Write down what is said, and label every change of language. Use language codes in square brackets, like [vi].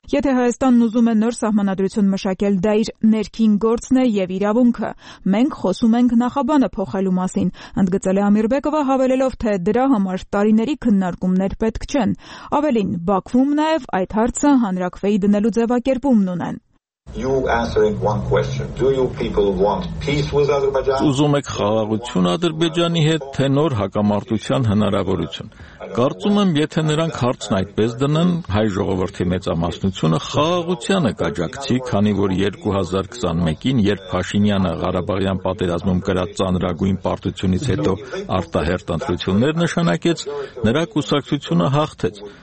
[hy] Եթե Հայաստանն ուզում է նոր սահմանադրություն մշակել, դա իր ներքին գործն է և իրավունքը։ Մենք խոսում ենք նախաբանը փոխելու մասին, ընդգծել է Ամիրբեկովը, հավելելով, թե դրա համար տարիների քննարկումներ պետք չեն։ Ավելին, Բաքվում նաև այդ հարցը հանրաքվեի դնելու ձևակերպումն ունեն։ [en] You answering one question. Do you people want peace with Azerbaijan? [hy] Ուզում եք խաղաղություն Ադրբեջանի հետ, թե նոր հակամարտության հնարավորություն։ Կարծում եմ, եթե նրանք հարցն այդպես դնեն, հայ ժողովրդի մեծամասնությունը խաղաղությանը կաջակցի, քանի որ 2021-ին, երբ Փաշինյանը Ղարաբաղյան պատերազմում կրած ծանրագույն պարտությունից հետո արտահերտ ընտրություններ նշանակեց, նրա կուսակցությունը հաղթեց։